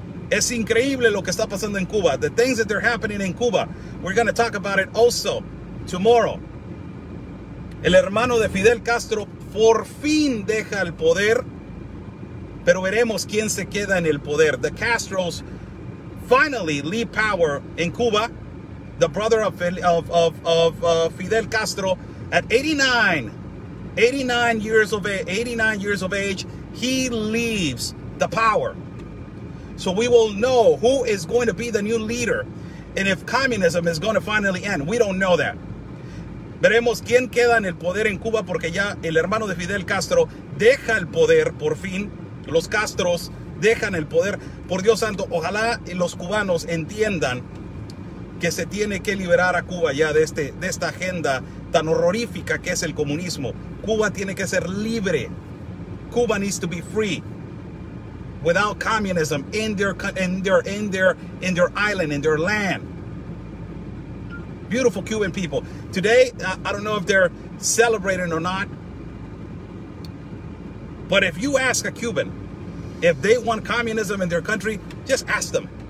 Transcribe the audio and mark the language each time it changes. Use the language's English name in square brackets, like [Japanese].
[Spanish] Es increíble lo que está pasando en Cuba. [English] The things that are happening in Cuba. We're going to talk about it also tomorrow. [Spanish] El hermano de Fidel Castro por fin deja el poder. Pero veremos quién se queda en el poder. [English] The Castros finally leave power in Cuba. The brother of Fidel Castro, at 89 years of age, he leaves the power. So we will know who is going to be the new leader, and if communism is going to finally end. We don't know that. [Spanish] Veremos quién queda en el poder en Cuba, porque ya el hermano de Fidel Castro deja el poder por fin. Los Castros dejan el poder. Por Dios santo, ojalá los cubanos entiendan que se tiene que liberar a Cuba ya de esta agenda tan horrorífica que es el comunismo. Cuba tiene que ser libre. [English] Cuba needs to be free. Without communism in their island, in their land. Beautiful Cuban people. Today, I don't know if they're celebrating or not. But if you ask a Cuban if they want communism in their country, just ask them.